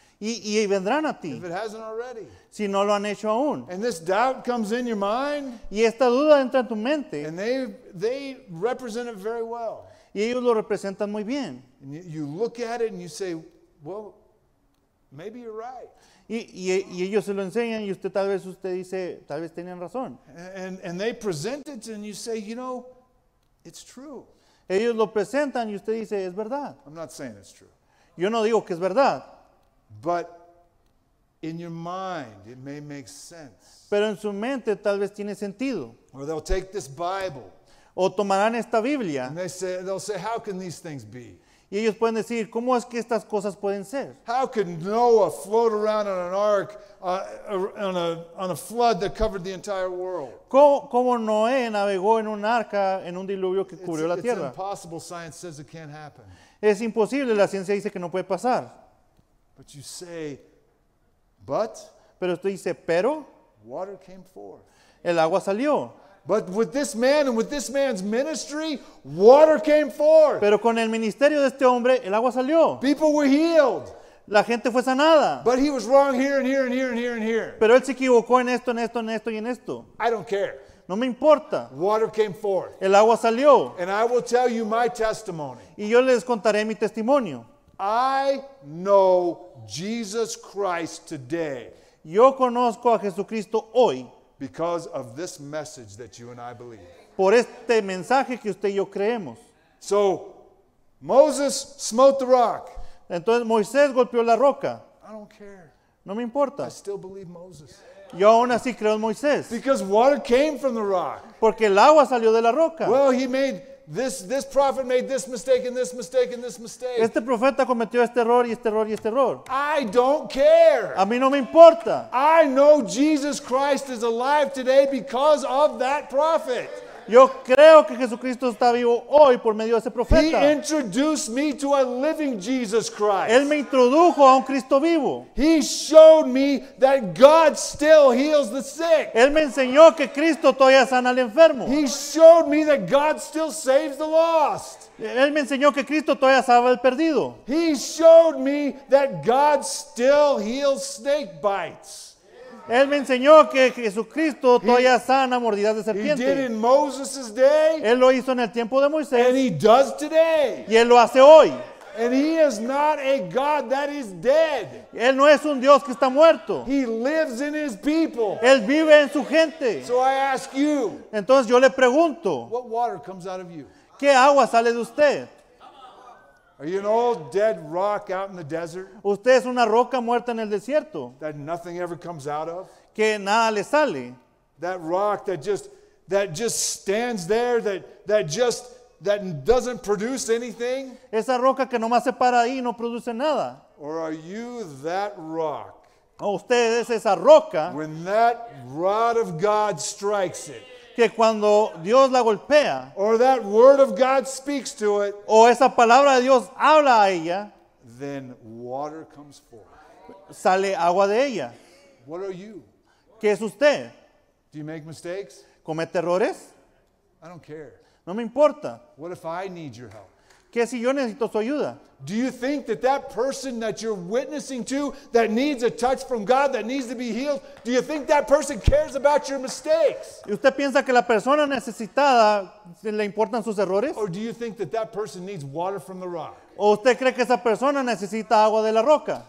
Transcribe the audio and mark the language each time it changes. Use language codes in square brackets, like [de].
[es] Y vendrán a ti. [en] If it hasn't already. [es] Si no lo han hecho aún. [en] And this doubt comes in your mind. [es] Y esta duda entra en tu mente. [en] And they represent it very well. [es] Y ellos lo representan muy bien. [en] And you look at it and you say, well, maybe you're right. [es] Y ellos se lo enseñan y usted dice, tal vez tenían razón. [en] And they present it and you say, you know, it's true. [es] Ellos lo presentan y usted dice, es verdad. [en] I'm not saying it's true. [es] Yo no digo que es verdad. [en] But in your mind, it may make sense. [es] Pero en su mente tal vez tiene sentido. [en] Or they'll take this Bible. [es] O tomarán esta Biblia. [en] And they'll say, how can these things be? [es] Y ellos pueden decir, ¿cómo es que estas cosas pueden ser? [en] How could Noah float around on an ark on a flood that covered the entire world? [es] ¿Cómo Noé navegó en un arca en un diluvio que cubrió la tierra? [en] It's impossible, science says it can't happen. [es] Es imposible, la ciencia dice que no puede pasar. [en] But you say, but? [es] Pero usted dice, pero? [en] Water came forth. [es] El agua salió. [en] But with this man and with this man's ministry, water came forth. [es] Pero con el ministerio de este hombre, el agua salió. [en] People were healed. [es] La gente fue sanada. [en] But he was wrong here and here and here and here and here. [es] Pero él se equivocó en esto, en esto, en esto y en esto. [en] I don't care. [es] No me importa. [en] Water came forth. [es] El agua salió. [en] And I will tell you my testimony. [es] Y yo les contaré mi testimonio. [en] I know Jesus Christ today. [es] Yo conozco a Jesucristo hoy. [en] Because of this message that you and I believe. [es] Por este mensaje que usted y yo creemos. [en] So, Moses smote the rock. [es] Entonces, Moisés golpeó la roca. [en] I don't care. [es] No me importa. [en] I still believe Moses. [es] Yo aún así creo en Moisés. [en] Because water came from the rock. [es] Porque el agua salió de la roca. [en] Well, he made this prophet made this mistake and this mistake and this mistake. [es] Este profeta cometió este error y este error y este error. [en] I don't care. [es] A mí no me importa. [en] I know Jesus Christ is alive today because of that prophet. [es] Yo creo que Jesucristo está vivo hoy por medio de ese profeta. [en] He introduced me to a living Jesus Christ. [es] Él me introdujo a un Cristo vivo. [en] He showed me that God still heals the sick. [es] Él me enseñó que Cristo todavía sana al enfermo. [en] He showed me that God still saves the lost. [es] Él me enseñó que Cristo todavía salva al perdido. [en] He showed me that God still heals snake bites. [es] Él me enseñó que Jesucristo todavía sana mordidas de serpiente. [en] He did in Moses' day. [es] Él lo hizo en el tiempo de Moisés. [en] And he does today. [es] Y él lo hace hoy. [en] And he is not a God that is dead. [es] Él no es un Dios que está muerto. [en] He lives in his people. [es] Él vive en su gente. [en] So I ask you. [es] Entonces yo le pregunto. [en] What water comes out of you? [es] ¿Qué agua sale de usted? [en] Are you an old dead rock out in the desert? [es] ¿Usted es una roca muerta en el desierto? [en] That nothing ever comes out of? [es] Que nada le sale. [en] That rock that just stands there, that doesn't produce anything? [es] Esa roca que nomás se para ahí y no produce nada. [en] Or are you that rock? [es] ¿O usted es esa roca? [en] When that rod of God strikes it. [es] Que cuando Dios la golpea, [en] or that word of God speaks to it, [es] o esa palabra de Dios habla a ella, [en] then water comes forth. [es] Sale agua de ella. [en] What are you? [es] ¿Qué es usted? [en] Do you make mistakes? [es] ¿Comete errores? [en] I don't care. [es] No me importa. [en] What if I need your help? [es] ¿Qué si yo necesito su ayuda? [en] Do you think that person that you're witnessing to, that needs a touch from God, that needs to be healed, do you think that person cares about your mistakes? [es] ¿Y usted piensa que la persona necesitada le importan sus errores? [en] Or do you think that person needs water from the rock? [es] ¿O usted cree que esa persona necesita agua de la roca?